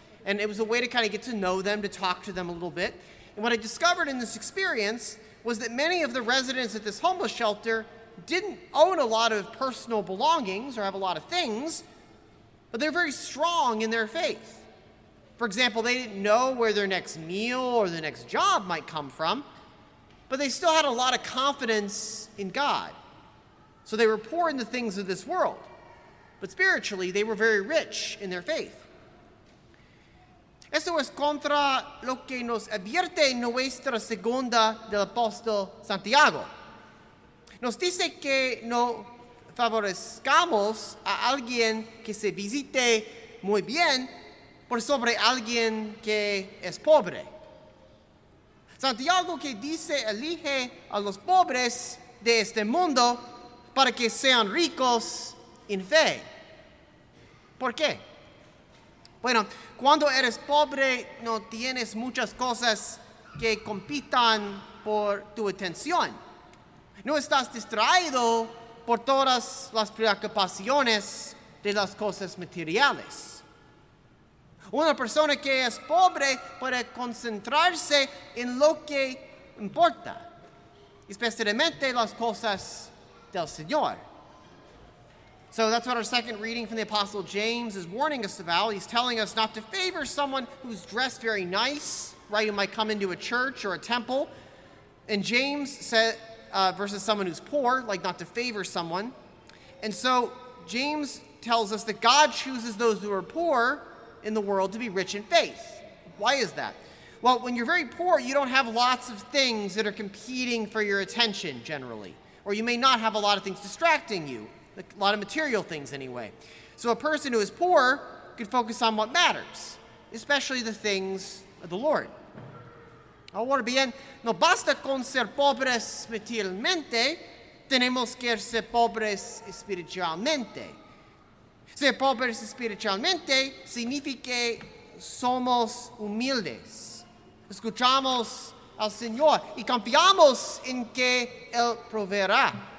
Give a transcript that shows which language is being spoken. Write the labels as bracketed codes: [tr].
[en] And it was a way to kind of get to know them, to talk to them a little bit. And what I discovered in this experience was that many of the residents at this homeless shelter didn't own a lot of personal belongings or have a lot of things, but they're very strong in their faith. For example, they didn't know where their next meal or their next job might come from, but they still had a lot of confidence in God. So they were poor in the things of this world, but spiritually, they were very rich in their faith. [es] Eso es contra lo que nos advierte nuestra segunda del apóstol Santiago. Nos dice que no favorezcamos a alguien que se visite muy bien por sobre alguien que es pobre. Santiago que dice elige a los pobres de este mundo para que sean ricos en fe. ¿Por qué? Bueno, cuando eres pobre no tienes muchas cosas que compitan por tu atención. No estás distraído por todas las preocupaciones de las cosas materiales. Una persona que es pobre puede concentrarse en lo que importa, especialmente las cosas del Señor. [en] So that's what our second reading from the Apostle James is warning us about. He's telling us not to favor someone who's dressed very nice, right? Who might come into a church or a temple. And James said, versus someone who's poor, like not to favor someone. And so James tells us that God chooses those who are poor in the world to be rich in faith. Why is that? Well, when you're very poor, you don't have lots of things that are competing for your attention generally. Or you may not have a lot of things distracting you. A lot of material things anyway. So a person who is poor could focus on what matters, especially the things of the Lord. [es] Ahora bien, no basta con ser pobres materialmente, tenemos que ser pobres espiritualmente. Ser pobres espiritualmente significa que somos humildes. Escuchamos al Señor y confiamos en que Él proveerá.